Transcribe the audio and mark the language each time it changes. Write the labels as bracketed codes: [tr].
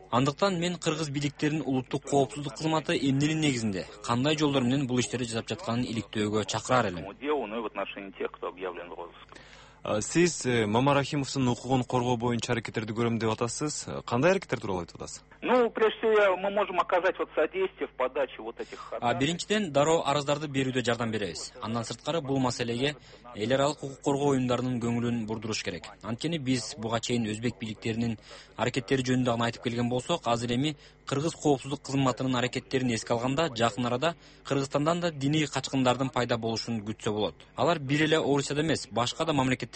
[ky] Андыктан мен кыргыз бийликтеринин улуттук коопсуздук кызматы эмненин негизинде кандай жолдор менен бул иштерди жасап жатканын иликтөөгө чакырар элем. Сиз Мамарахимовдун укугун коргоо боюнча аракеттерди көрөм деп атасыз. Кандай аракеттер тууралуу айтып атасыз? [ru] Ну, прежде всего, мы можем оказать вот содействие в подаче вот этих ходатайств. [ky] Биринчиден дароо арыздарды берүүдө жардам беребиз. Андан сырткары бул маселеге эл аралык укук коргоо уюмдарынын көңүлүн бурдуруш керек. Анткени биз буга чейин өзбек бийликтеринин аракеттери жөнүндө гана айтып келген болсок, азыр эми кыргыз коопсуздук кызматынын аракеттерин эске алганда жакын арада Кыргызстандан да диний качкындардын пайда болушун күтсө болот. Алар бир эле Орусияда эмес, башка да мамлекеттерде